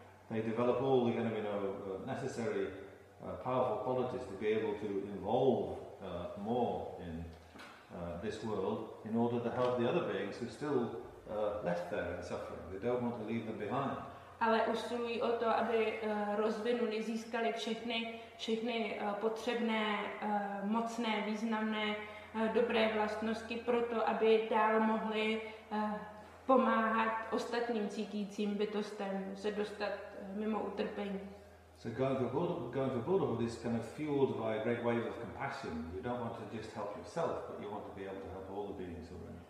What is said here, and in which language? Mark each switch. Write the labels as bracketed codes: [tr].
[en] They develop all the kind of, you know, necessary powerful qualities to be able to involve more in this world in order to help the other beings who are still left there in suffering. They don't want to leave them behind. [cs] Ale usilují o to, aby rozvinuli, získali všechny potřebné, mocné, významné, dobré vlastnosti pro to, aby dál mohli pomáhat ostatním cítícím bytostem se dostat mimo utrpení. [en] So going for Buddhahood is kind of fueled by a great wave of compassion. You don't want to just help yourself, but you want to be able to help all the beings around.